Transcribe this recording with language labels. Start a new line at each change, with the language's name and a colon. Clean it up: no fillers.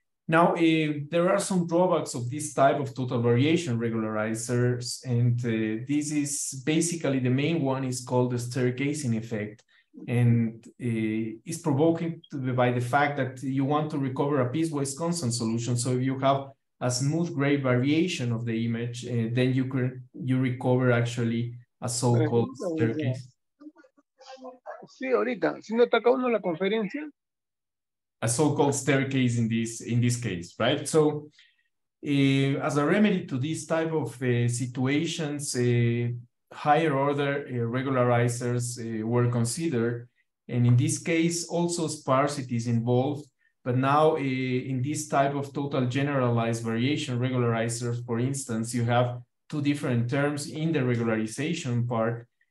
English: Now, there are some drawbacks of this type of total variation regularizers, and this is basically the main one is called the staircasing effect, and is provoked by the fact that you want to recover a piecewise constant solution. So if you have a smooth gray variation of the image, then you recover actually a so-called staircase.
Spanish: Sí, ahorita, si no está acabando la conferencia.
English: A so-called staircase in this case, right? So as a remedy to these type of situations, higher order regularizers were considered. And in this case, also sparsity is involved. But now in this type of total generalized variation regularizers, for instance, you have two different terms in the regularization part.